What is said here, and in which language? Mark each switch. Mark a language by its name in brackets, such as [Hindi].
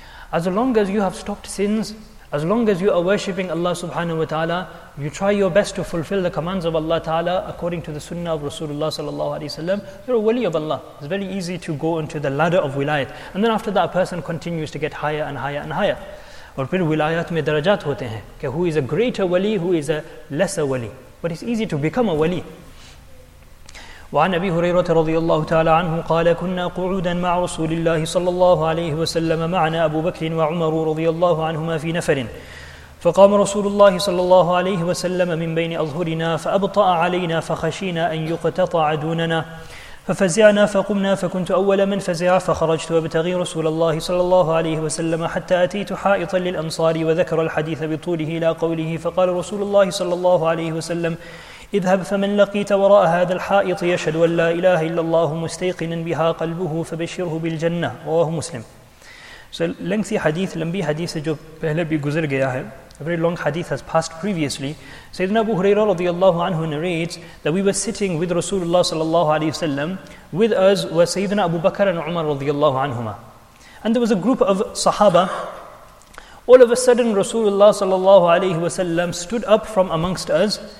[English] as long as you have stopped sins As long as you are worshipping Allah subhanahu wa ta'ala, you try your best to fulfill the commands of Allah ta'ala according to the sunnah of Rasulullah sallallahu alayhi wa sallam, you're a wali of Allah. It's very easy to go into the ladder of wilayat. And then after that, a person continues to get higher and higher and higher. [Urdu] Aur phir wilayat mein darajat hote hain, ke [English] who is a greater wali, who is a lesser wali. But it's easy to become a wali. [Arabic] وعن أبي هريرة رضي الله تعالى عنه قال كنا قعودا مع رسول الله صلى الله عليه وسلم معنا أبو بكر وعمر رضي الله عنهما في نفر فقام رسول الله صلى الله عليه وسلم من بين أظهرنا فأبطأ علينا فخشينا أن يقتطع دوننا ففزعنا فقمنا فكنت أول من فزع فخرجت وابتغي رسول الله صلى الله عليه وسلم حتى أتيت حائطا للأنصار وذكر الحديث بطوله لا قوله فقال رسول الله صلى الله عليه وسلم اذهب فمن لقيت وراء هذا الحائط يشهد أن لا إله إلا الله مستيقنا بها قلبه فبشره بالجنة رواه مسلم [English] So lengthy hadith, [Urdu] lambi hadith جو پہلے بھی گزر گیا ہے [English] A very long hadith has passed previously. Sayyidina Abu Hurairah radiallahu anhu narrates that we were sitting with Rasulullah sallallahu alayhi wa sallam. With us were Sayyidina Abu Bakr and Umar radiallahu anhuma. And there was a group of sahaba. All of a sudden Rasulullah sallallahu alayhi wa sallam stood up from amongst us.